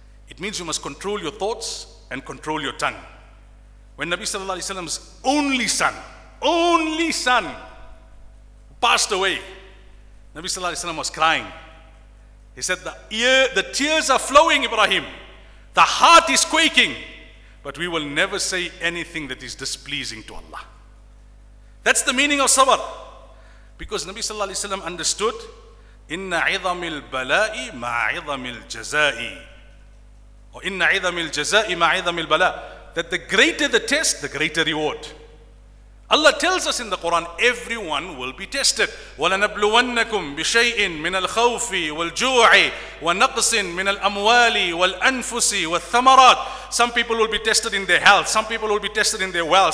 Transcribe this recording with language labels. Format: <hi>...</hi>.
<en>It means you must control your thoughts and control your tongue. When Nabi Sallallahu Alaihi Wasallam's only son passed away, Nabi Sallallahu Alaihi Wasallam was crying. He said, the tears are flowing, Ibrahim. The heart is quaking. But we will never say anything that is displeasing to Allah. That's the meaning of sabr. Because Nabi Sallallahu Alaihi Wasallam understood,</en> <ar>إِنَّ عِظَمِ الْبَلَاءِ مَا عِظَمِ الْجَزَاءِ إِنَّ عِظَمِ الْجَزَاءِ مَا عِظَمِ الْبَلَاءِ.</ar> <en>That the greater the test, the greater reward. Allah tells us in the Quran, everyone will be tested.</en> <ar>وَلَنَبْلُوَنَّكُمْ بِشَيْءٍ مِنَ الْخَوْفِ وَالْجُوعِ وَنَقْصٍ مِنَ الْأَمْوَالِ وَالْأَنفُسِ وَالثَّمَرَاتِ.</ar> <en>Some people will be tested in their health. Some people will be tested in their wealth.</en>